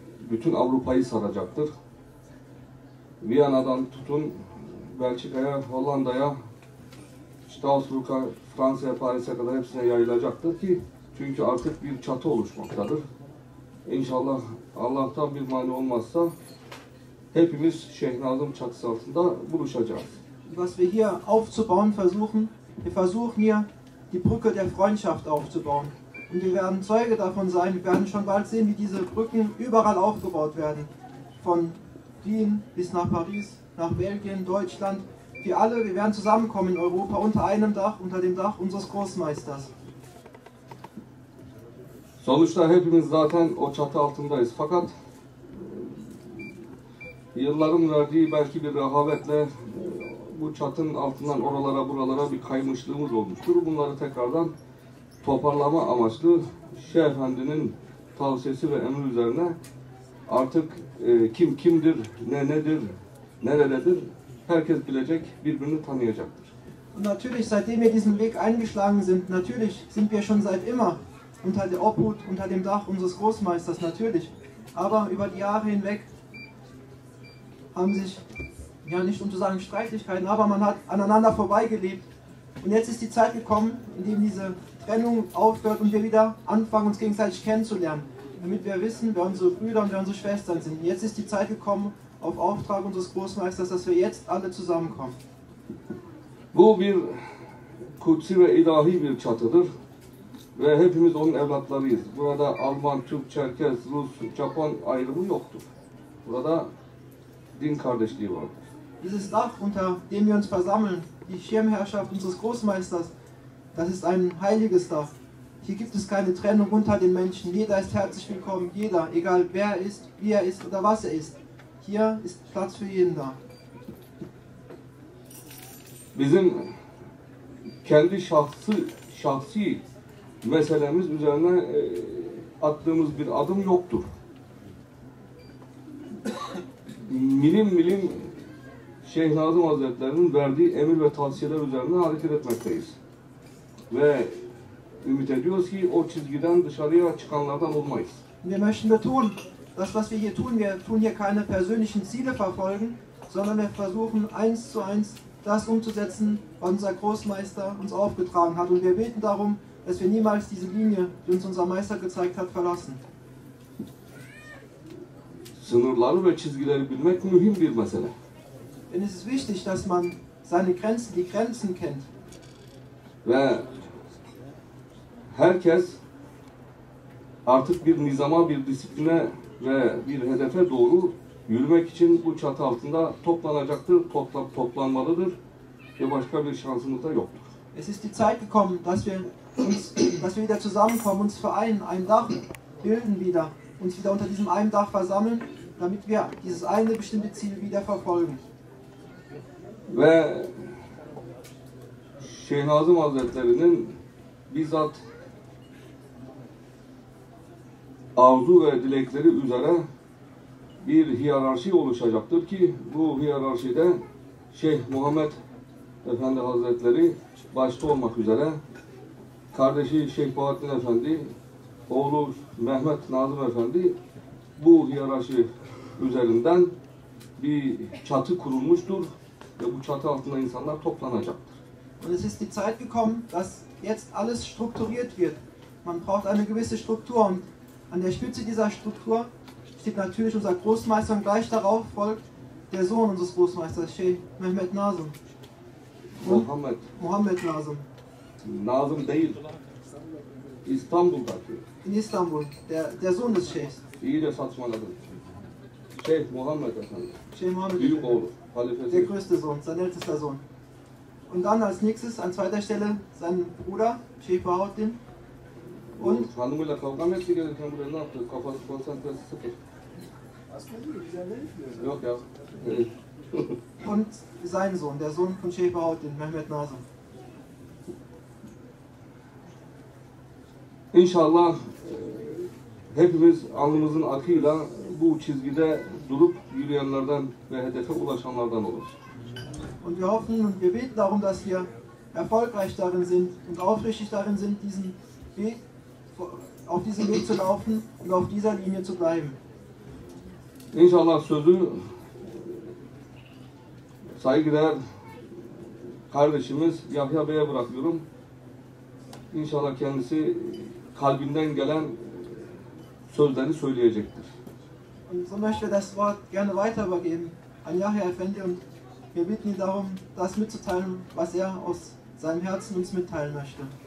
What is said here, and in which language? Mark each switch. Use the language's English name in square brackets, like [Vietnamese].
[Turkish] Bütün Avrupa'yı saracaktır. Viyana'dan tutun Belçika'ya, Hollanda'ya, Strasbourg'a, Fransa'ya, Paris'e kadar hepsine yayılacaktır ki çünkü artık bir çatı oluşmaktadır. İnşallah Allah'tan bir mani olmazsa hepimiz Şeyh Nazım çatısı altında buluşacağız. [German] Was wir hier aufzubauen versuchen, wir versuchen hier die Brücke der Freundschaft aufzubauen. Und wir werden Zeuge davon sein, wir werden schon bald sehen, wie diese Brücken überall aufgebaut werden. Von Wien bis nach Paris, nach Belgien, Deutschland. Wir alle, wir werden zusammenkommen in Europa unter einem Dach, unter dem Dach unseres Großmeisters. [Turkish] Sonuçta hepimiz zaten o çatı altındayız. Fakat yılların verdiği belki bir rehavetle bu çatının altından oralara buralara bir kaymışlığımız olmuştur. Bunları tekrardan toparlama amaçlı Şeyh Efendi'nin tavsiyesi ve emri üzerine artık kim kimdir, ne nedir, nerededir, herkes bilecek, birbirini tanıyacaktır. [German] Und natürlich, seitdem wir diesen Weg eingeschlagen sind, natürlich sind wir schon seit immer unter der Obhut, unter dem Dach unseres Großmeisters, natürlich. Aber über die Jahre hinweg haben sich, ja nicht um zu sagen Streitigkeiten, aber man hat aneinander vorbeigelebt. Und jetzt ist die Zeit gekommen, in dem diese Trennung aufhört und wir wieder anfangen, uns gegenseitig kennenzulernen, damit wir wissen, wer unsere Brüder und wer unsere Schwestern sind. Jetzt ist die Zeit gekommen, auf Auftrag unseres Großmeisters, dass wir jetzt alle zusammenkommen. [Turkish] Bu bir kutsi ve ilahi bir çatıdır ve hepimiz onun evlatlarıyız. Burada Alman, Türk, Çerkez, Rus, Japon ayrımı yoktur. Burada din kardeşliği vardır. [German] Dieses Dach, unter dem wir uns versammeln, die Schirmherrschaft unseres Großmeisters, das ist ein heiliges Dach. Hier gibt es keine Trennung unter den Menschen. Jeder ist herzlich willkommen, jeder, egal wer er ist, wie er ist oder was er ist. Hier ist Platz für jeden da. [Turkish] Bizim kendi şahsi meselemiz üzerine attığımız bir adım yoktur. Milim milim Şeyh Nazım Hazretleri'nin verdiği emir ve tavsiyeler üzerine hareket etmekteyiz. Ve ümit ediyoruz ki o çizgiden dışarıya çıkanlardan olmayız. [German] Wir möchten betonen, das was wir tun hier keine persönlichen Ziele verfolgen, sondern wir versuchen eins zu eins das umzusetzen, was unser Großmeister uns aufgetragen hat. Und wir beten darum, dass wir niemals diese Linie, die uns unser Meister gezeigt hat, verlassen. [Turkish] Sınırları ve çizgileri bilmek mühim bir mesele. [German] Denn es ist wichtig, dass man seine Grenzen, die Grenzen kennt. [Turkish] Ve herkes artık bir nizama, bir disipline ve bir hedefe doğru yürümek için bu çatı altında toplanacaktır, toplanmalıdır ve başka bir şansımız da yoktur. [German] Es ist die Zeit gekommen, dass wir uns, dass wir wieder zusammenkommen, uns vereinen, ein Dach bilden wieder, uns wieder unter diesem einen Dach versammeln, damit wir dieses eine bestimmte Ziel wieder verfolgen. [Turkish] Ve Şeyh Nazım Hazretleri'nin bizzat arzu ve dilekleri üzere bir hiyerarşi oluşacaktır ki bu hiyerarşide Şeyh Muhammed Efendi Hazretleri başta olmak üzere kardeşi Şeyh Bahattin Efendi, oğlu Mehmet Nazım Efendi bu hiyerarşi üzerinden bir çatı kurulmuştur ve bu çatı altında insanlar toplanacaktır. [German] Und es ist die Zeit gekommen, dass jetzt alles strukturiert wird. Man braucht eine gewisse Struktur und an der Spitze dieser Struktur Tipp natürlich unser Großmeister und gleich darauf folgt der Sohn unseres Großmeisters, Sheikh Mehmet Nazım. Mohammed. Mohammed Nazım. [Turkish] Nazım değil. İstanbul'daki. [German] In Istanbul, der Sohn des Sheikhs. [Turkish] İyi de saçmaladın. Sheikh Mohammed Efendi. [German] Sheikh Mohammed. [Turkish] Büyük oğlu, halifesi. [German] Der größte Sohn, sein ältester Sohn. Und dann als nächstes, an zweiter Stelle, sein Bruder, Sheikh Bahauddin. Und [Turkish] hanımıyla kavga mı etti gelirken buraya ne yaptı? Kafası konsantresi sıfır. Aslında güzel yok ya. [German] Und sein Sohn, der Sohn von Sheikh Bahauddin, Mehmet Nazım. [Turkish] İnşallah hepimiz alnımızın akıyla bu çizgide durup yürüyenlerden ve hedefe ulaşanlardan olur. [German] Und wir hoffen und wir beten darum, dass wir erfolgreich darin sind und aufrichtig darin sind, diesen Weg, auf diesem Weg zu laufen und auf dieser Linie zu bleiben. [Turkish] İnşallah sözü saygıdeğer kardeşimiz Yahya Bey'e bırakıyorum. İnşallah kendisi kalbinden gelen sözleri söyleyecektir. [German] Und so möchte ich das Wort gerne weiter übergeben an Yahya Efendi und wir bitten ihn darum, das mitzuteilen, was er aus seinem Herzen uns mitteilen möchte.